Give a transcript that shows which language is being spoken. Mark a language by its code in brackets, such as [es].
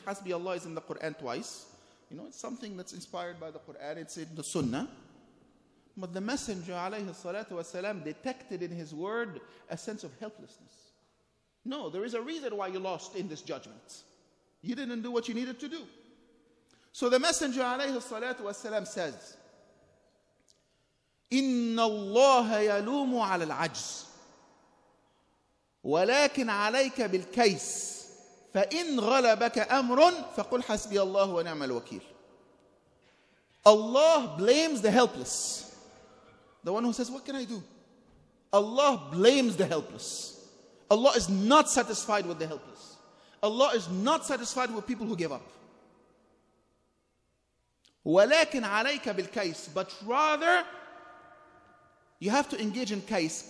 [en] Hasbi Allah is in the Quran twice. You know, it's something that's inspired by the Quran. It's in the Sunnah. But the Messenger alayhi salatu wasalam detected in his word a sense of helplessness. No, there is a reason why you lost in this judgment. You didn't do what you needed to do. So the Messenger alayhi salatu wasalam says, [ar] إِنَّ اللَّهَ يَلُومُ عَلَى الْعَجْزِ وَلَكِنْ عَلَيْكَ بِالْكَيْسِ فَإِنْ غَلَبَكَ أَمْرٌ فَقُلْ حَسْبِيَ اللَّهُ وَنِعْمَ الْوَكِيلُ [en] Allah blames the helpless. The one who says, what can I do? Allah blames the helpless. Allah is not satisfied with the helpless. Allah is not satisfied with people who give up. [ar] وَلَكِنْ عَلَيْكَ بِالْكَيْسِ [en] But rather, you have to engage in kais.